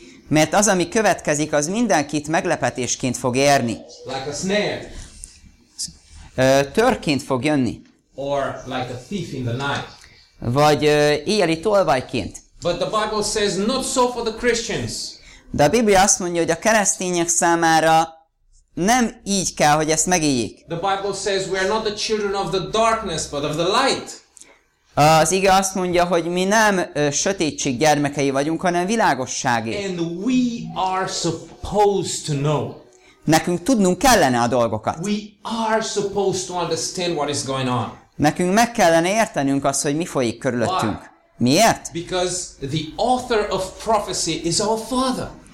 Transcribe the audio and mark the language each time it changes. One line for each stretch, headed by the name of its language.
Hungarian: Mert az, ami következik, az mindenkit meglepetésként fog érni.
English: Like a snare.
Hungarian: Törként fog jönni.
English: Or like a thief in the night.
Hungarian: Vagy éjjeli tolvajként.
English: But the Bible says not so for the Christians.
Hungarian: De a Biblia azt mondja, hogy a keresztények számára nem így kell, hogy ezt megéljék.
English: The Bible says we are not the children of the darkness, but of the light.
Hungarian: Az ige azt mondja, hogy mi nem sötétség gyermekei vagyunk, hanem világosságé.
English: And we are supposed to know.
Hungarian: Nekünk tudnunk kellene a dolgokat.
English: We are supposed to understand what is going on.
Hungarian: Nekünk meg kellene értenünk azt, hogy mi folyik körülöttünk. Miért?
English: Because the author of prophecy is our father.